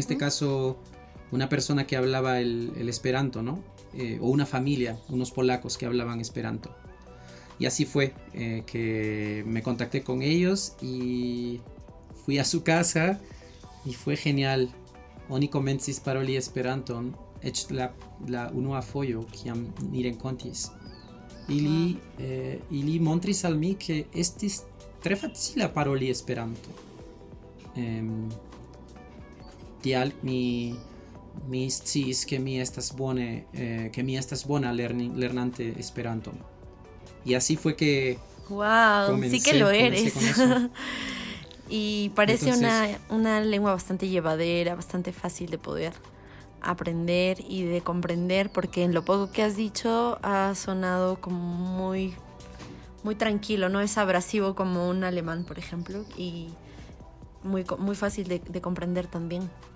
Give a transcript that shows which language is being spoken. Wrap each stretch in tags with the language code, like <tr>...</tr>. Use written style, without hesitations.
<es>este caso una persona que hablaba el esperanto, ¿no? O una familia, unos polacos que hablaban esperanto. Y así fue que me contacté con ellos y fui a su casa y fue genial.</es> <eo>Oni komencis paroli esperanton, eĉ la unua fojo kiam ni renkontis. Ili montris al mi ke estis tre facila paroli esperanto. Tial mi mi scias che mi estas bone che mi estas bona lernante Esperanto.</eo> <es>Y así fue que wow, sí que lo eres. Y parece una lengua bastante llevadera, bastante fácil de poder aprender y de comprender, porque en lo poco que has dicho ha sonado como muy, muy tranquilo, no es abrasivo como un alemán, por ejemplo, y muy, muy fácil de comprender también.</es>